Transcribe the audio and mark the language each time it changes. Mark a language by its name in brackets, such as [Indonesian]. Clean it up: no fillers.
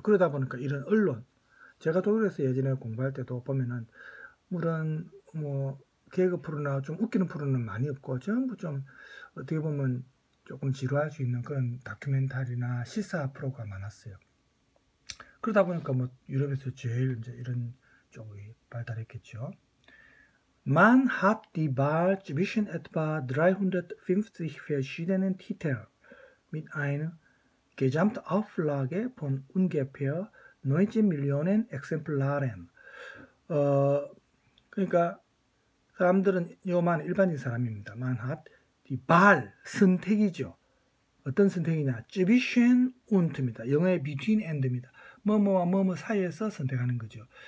[Korean] 그러다 보니까 이런 언론, 제가 독일에서 예전에 공부할 때도 보면은 물론 뭐 개그 프로나 좀 웃기는 프로는 많이 없고 전부 좀 어떻게 보면 조금 지루할 수 있는 그런 다큐멘터리나 시사 프로가 많았어요. 그러다 보니까 뭐 유럽에서 제일 이제 이런 쪽이 발달했겠죠. [German] Man hat die Wahl zwischen etwa 350 verschiedenen Titeln mit einer Gesamtauflage von ungefähr 90 Millionen Exemplaren. [Korean] 그러니까 사람들은 요만 일반인 사람입니다. [German] Man hat die Wahl, 선택이죠. [Korean] 어떤 선택이냐? [German] Zwischen und 입니다. [Korean] 영어의 [English] between and [Korean] 입니다. 뭐뭐와 뭐뭐 사이에서 선택하는 거죠.